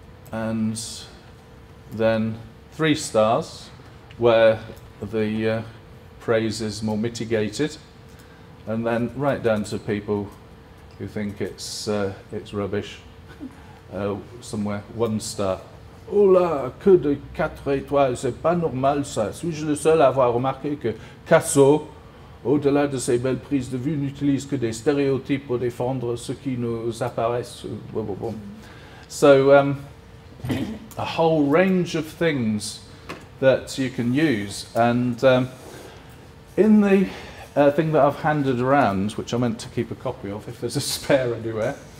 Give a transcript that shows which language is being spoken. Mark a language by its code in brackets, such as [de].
[en] And then 3 stars, where the praise is more mitigated, and then right down to people who think it's rubbish, somewhere 1 star. [fr] Hola, que de 4 étoiles, c'est pas normal ça. Suis-je le seul à avoir remarqué que Casso, au-delà de ses belles prises de vue, n'utilise que des stéréotypes pour défendre ce qui nous apparaît. Bon, bon, bon. [en] So a whole range of things that you can use. And in the thing that I've handed around, which I meant to keep a copy of, if there's a spare anywhere,